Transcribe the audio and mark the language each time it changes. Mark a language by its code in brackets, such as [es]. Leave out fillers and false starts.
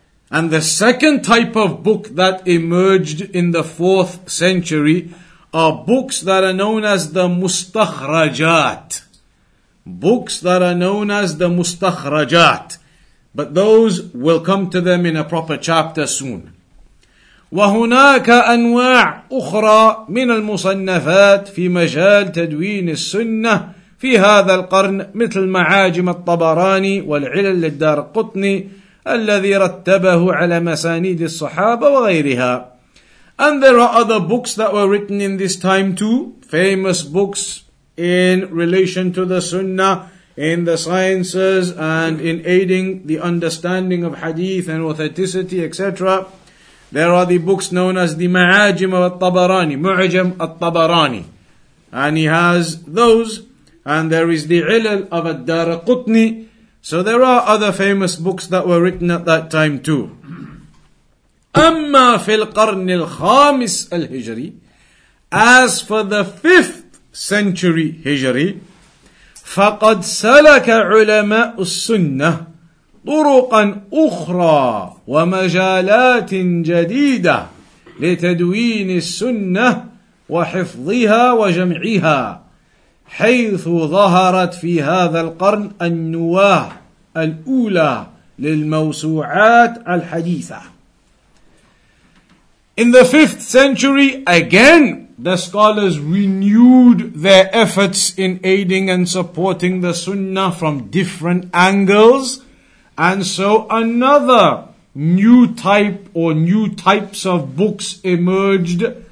[en] And the second type of book that emerged in the 4th century are books that are known as the Mustakhrajat. Books that are known as the Mustakhrajat. But those will come to them in a proper chapter soon. [ar] وهناك أنواع أخرى من المصنفات في مجال تدوين السنة في هذا القرن مثل معاجم الطبراني والعلل للدارقطني الذي رتبه على مسانيد الصحابة وغيرها. [en] And there are other books that were written in this time too, famous books in relation to the Sunnah, in the sciences and in aiding the understanding of hadith and authenticity, etc. There are the books known as the Ma'ajim al-Tabarani, Mu'ajim al-Tabarani. And he has those, and there is the Ilal of al-Darqutni. So there are other famous books that were written at that time too. [ar] أَمَّا فِي الْقَرْنِ الْخَامِسِ الْهِجْرِ. [en] As for the 5th century Hijri, [ar] فَقَدْ سَلَكَ عُلَمَاءُ السُّنَّةِ طرقا أخرى ومجالات جديدة لتدوين السنة وحفظها وجمعها حيث ظهرت في هذا القرن النواة الأولى للموسوعات الحديثة. [en] In the 5th century, again, the scholars renewed their efforts in aiding and supporting the Sunnah from different angles. And so another new type or new types of books emerged